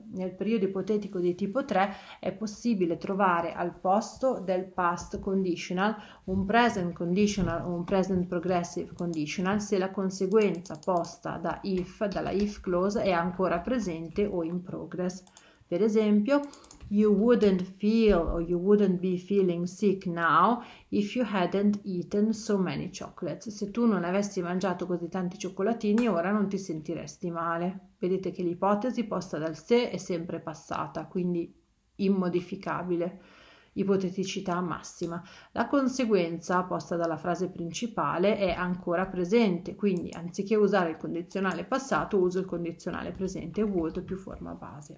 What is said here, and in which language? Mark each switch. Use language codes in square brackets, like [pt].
[it] Nel periodo ipotetico di tipo 3 è possibile trovare al posto del past conditional un present conditional o un present progressive conditional se la conseguenza posta da if, dalla if clause, è ancora presente o in progress. [en] Per esempio, you wouldn't feel or you wouldn't be feeling sick now if you hadn't eaten so many chocolates. [it] Se tu non avessi mangiato così tanti cioccolatini, ora non ti sentiresti male. Vedete che l'ipotesi posta dal se è sempre passata, quindi immodificabile, ipoteticità massima. La conseguenza posta dalla frase principale è ancora presente, quindi anziché usare il condizionale passato uso il condizionale presente would più forma base.